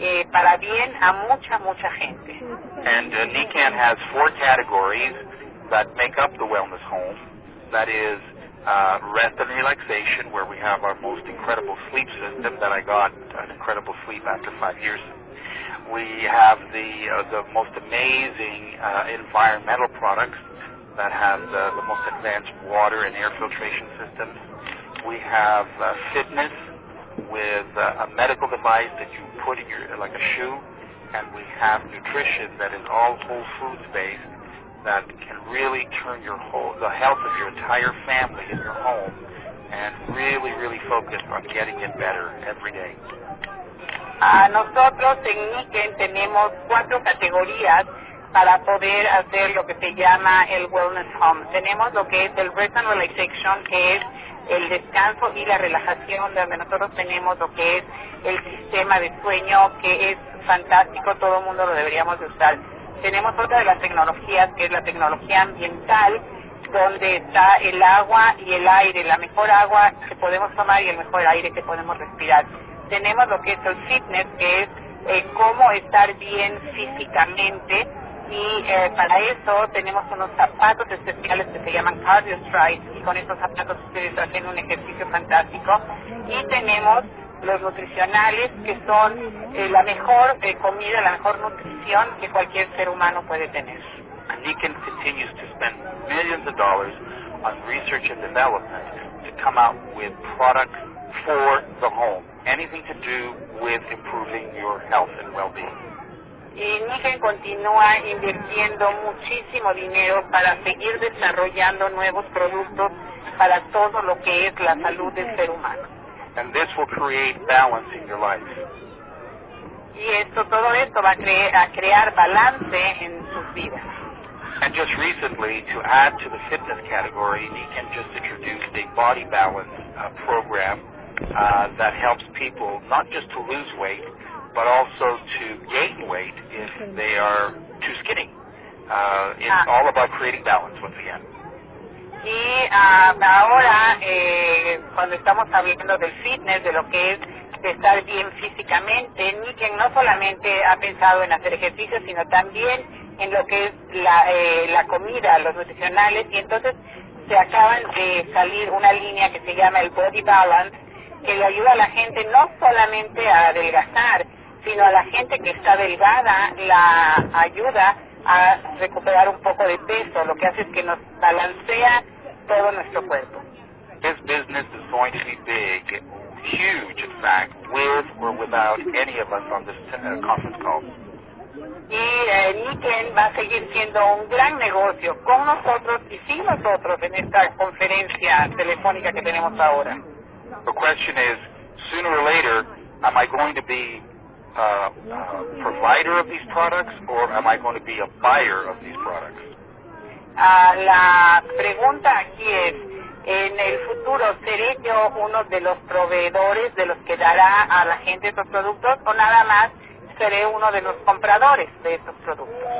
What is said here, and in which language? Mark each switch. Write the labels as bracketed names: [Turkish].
[Spanish] para bien a mucha, mucha gente. [English] And NECAN has four categories that make up the wellness home. That is rest and relaxation, where we have our most incredible sleep system that I got an incredible sleep after 5 years. We have the most amazing environmental products that have the most advanced water and air filtration systems. We have fitness with a medical device that you put in your, like a shoe. And we have nutrition that is all whole foods based that can really turn your whole, the health of your entire family in your home and really, really focus on getting it better every day. [Spanish] Nosotros en NECAN tenemos cuatro categorías para poder hacer lo que se llama el wellness home. Tenemos lo que es el rest and relaxation, que es el descanso y la relajación, donde nosotros tenemos lo que es el sistema de sueño, que es fantástico, todo el mundo lo deberíamos usar. Tenemos otra de las tecnologías, que es la tecnología ambiental, donde está el agua y el aire, la mejor agua que podemos tomar y el mejor aire que podemos respirar. Tenemos lo que es el fitness, que es cómo estar bien físicamente, y para eso tenemos unos zapatos especiales que se llaman Cardio Strides, y con estos zapatos ustedes hacen un ejercicio fantástico. Y tenemos los nutricionales, que son la mejor comida, la mejor nutrición que cualquier ser humano puede tener. [English] And NECAN continues to spend millions of dollars on research and development to come out with products for the home. Anything to do with improving your health and well-being. [Spanish] Y NECAN continúa invirtiendo muchísimo dinero para seguir desarrollando nuevos productos para todo lo que es la salud del ser humano. [English] And this will create balance in your life. [Spanish] Y esto, todo esto va a crear balance en sus vidas. [English] And just recently, to add to the fitness category, NECAN just introduced a body balance program that helps people not just to lose weight, but also to gain weight if they are too skinny. It's all about creating balance once again. [Spanish] Y ahora, cuando estamos hablando del fitness, de lo que es estar bien físicamente, NECAN no solamente ha pensado en hacer ejercicio, sino también en lo que es la comida, los nutricionales, y entonces se acaban de salir una línea que se llama el Body Balance, que le ayuda a la gente no solamente a adelgazar, sino a la gente que está delgada, la ayuda a recuperar un poco de peso, lo que hace es que nos balancea todo nuestro cuerpo. [English] This business is going to be big, huge in fact, with or without any of us on this conference call. [Spanish] Y NECAN va a seguir siendo un gran negocio con nosotros y sin nosotros en esta conferencia telefónica que tenemos ahora. [English] The question is, sooner or later, am I going to be a provider of these products or am I going to be a buyer of these products? [Spanish] La pregunta aquí es, ¿en el futuro seré yo uno de los proveedores de los que dará a la gente estos productos o nada más seré uno de los compradores de estos productos?